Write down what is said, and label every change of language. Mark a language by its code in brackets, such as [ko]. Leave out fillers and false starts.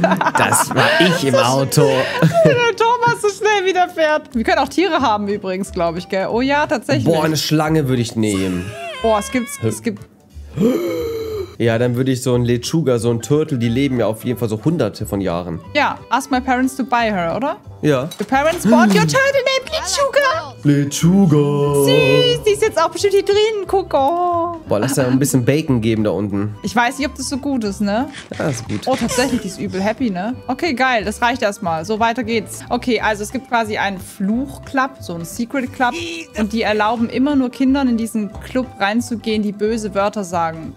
[de] Das war ich im Auto. Der Thomas so schnell wieder fährt. Wir können auch Tiere haben übrigens, glaube ich, gell? Oh ja, tatsächlich. Boah, eine Schlange würde ich nehmen. Boah, es gibt... Ja, dann würde ich so ein Lechuga, so ein Turtle, die leben ja auf jeden Fall so hunderte von Jahren. [en] Ja, ask my parents to buy her, oder? [de] Ja. [en] Your parents bought your turtle named Lechuga. [de] Lechuga. Süß, die ist jetzt auch bestimmt hier drin, guck. Oh. Boah, lass dir ein bisschen Bacon geben da unten. Ich weiß nicht, ob das so gut ist, ne? Ja, ist gut. Oh, tatsächlich, die ist übel happy, ne? Okay, geil, das reicht erstmal. So, weiter geht's. Okay, also es gibt quasi einen Fluchclub, so einen Secret Club. Und die erlauben immer nur Kindern in diesen Club reinzugehen, die böse Wörter sagen.